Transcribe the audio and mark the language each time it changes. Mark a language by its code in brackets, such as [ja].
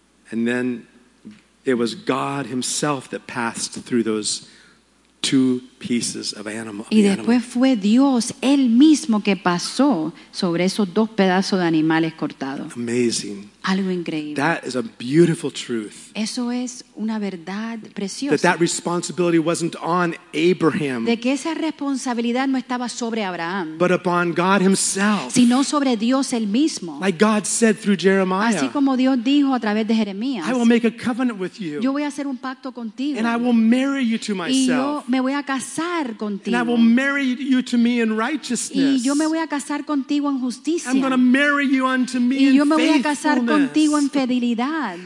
[en] And then it was God himself that passed through those two pieces of animal. [es] Y después fue Dios él mismo que pasó sobre esos dos pedazos de animales cortados. [en] Amazing. [es] Algo increíble. [en] That is a beautiful truth. [es] Eso es una verdad preciosa. [en] That responsibility wasn't on Abraham. [es] De que esa responsabilidad no estaba sobre Abraham. [en] But upon God himself. [es] Sino sobre Dios él mismo. [en] Like God said through Jeremiah. [es] Así como Dios dijo a través de Jeremías. [en] I will make a covenant with you. [es] Yo voy a hacer un pacto contigo. [en] And I will marry you to myself. [es] Y yo me voy a casar casar contigo. [en] And I will marry you to me in righteousness. [es] Y yo me voy a casar contigo en justicia. [en] I'm going to marry you unto me [es] y [en] in faithfulness. [es] Y yo me voy a casar contigo en fidelidad.